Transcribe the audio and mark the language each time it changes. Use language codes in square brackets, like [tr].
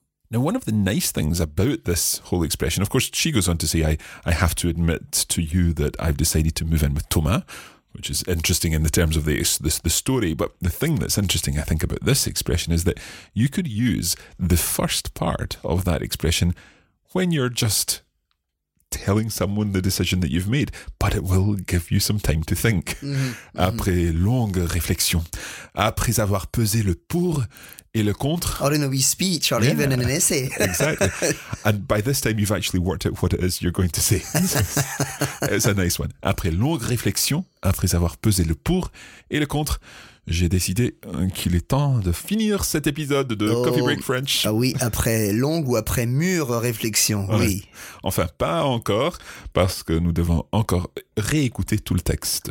[en] Now, one of the nice things about this whole expression, of course, she goes on to say, I have to admit to you that I've decided to move in with Thomas, which is interesting in the terms of the story. But the thing that's interesting, I think, about this expression is that you could use the first part of that expression when you're just telling someone the decision that you've made, but it will give you some time to think. Mm-hmm. [fr] Après longue réflexion, après avoir pesé le pour et le contre. [en] Or in a wee speech, or even in an essay. Exactly. And by this time, you've actually worked out what it is you're going to say. It's a nice one. [fr] Après longue réflexion, après avoir pesé le pour et le contre, j'ai décidé qu'il est temps de finir cet épisode de Coffee Break French. Ah oui, après longue ou après mûre réflexion, oui. Enfin, pas encore, parce que nous devons encore réécouter tout le texte.